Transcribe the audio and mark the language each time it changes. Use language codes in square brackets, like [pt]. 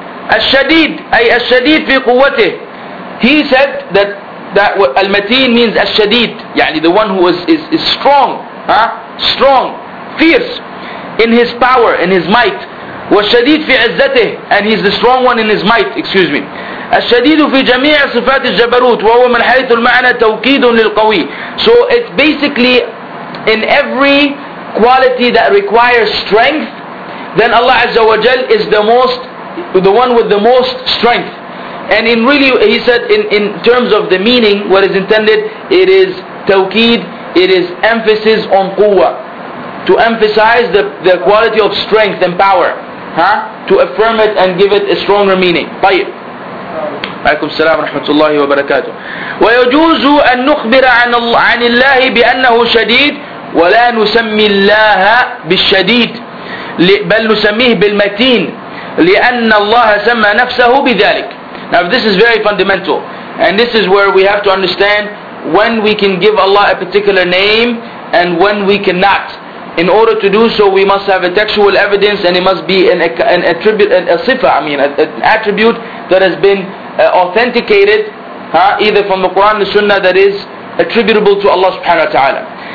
[ar] الشديد, أي الشديد في قوته. [en] He said that المتين means الشديد, يعني the one who is strong, huh? Strong, fierce in his power, in his might. [ar] والشديد في عزته, [en] and he's the strong one in his might, excuse me. [ar] الشديد في جميع صفات الجبروت, وهو من حيث المعنى توكيد للقوي. [en] So it's basically in every quality that requires strength, then Allah Azza wa Jal is the most, the one with the most strength. And in really, he said in terms of the meaning, what is intended, it is tawqeed, it is emphasis on quwwa, to emphasize the quality of strength and power, huh? To affirm it and give it a stronger meaning. [ar] طيب, عليكم السلام ورحمة الله وبركاته. ويجوز أن نخبر عن الله بأنه شديد ولا نسمي الله بالشديد بل نسميه بالمتين لأن الله سمى نفسه بذلك. [en] Now this is very fundamental, and this is where we have to understand when we can give Allah a particular name and when we cannot. In order to do so, we must have a textual evidence, and it must be an attribute, a sifa, I mean an attribute that has been authenticated, huh, either from the Quran, the Sunnah, that is attributable to Allah subhanahu wa ta'ala.